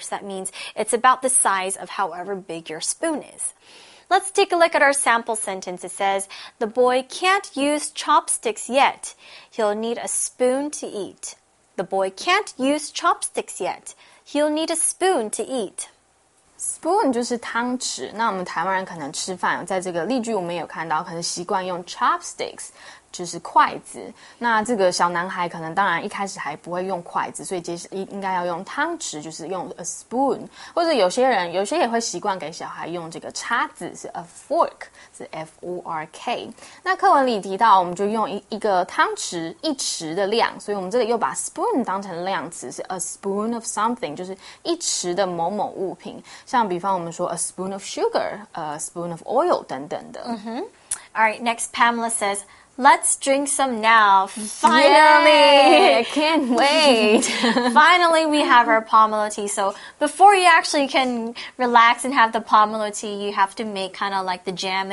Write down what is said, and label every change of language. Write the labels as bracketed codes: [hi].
[en] So, that means it's about the size of however big your spoon is. Let's take a look at our sample sentence. It says, the boy can't use chopsticks yet. He'll need a spoon to eat. The boy can't use chopsticks yet. He'll need a spoon to eat. [zh] Spoon 就是汤匙，那我们台湾人可能吃饭，在这个例句我们也有看到，可能习惯用 chopsticks， 就是筷子。那这个小男孩可能当然一开始还不会用筷子，所以应该要用汤匙，就是用 a spoon。或者有些也会习惯给小孩用这个叉子，是 a fork， 是 F-O-R-K。那课文里提到，我们就用一个汤匙一匙的量，所以我们这里又把 spoon 当成量词，是 [en] a spoon of something， [zh] 就是一匙的某某物品。像比方我们说 [en] a spoon of sugar, a spoon of oil [zh] 等等的。 [en] All right, next Pamela says, let's drink some now. Finally! Yay, I can't wait! Finally, we have our pomelo tea. So before you actually can relax and have the pomelo tea, you have to make kind of like the jam.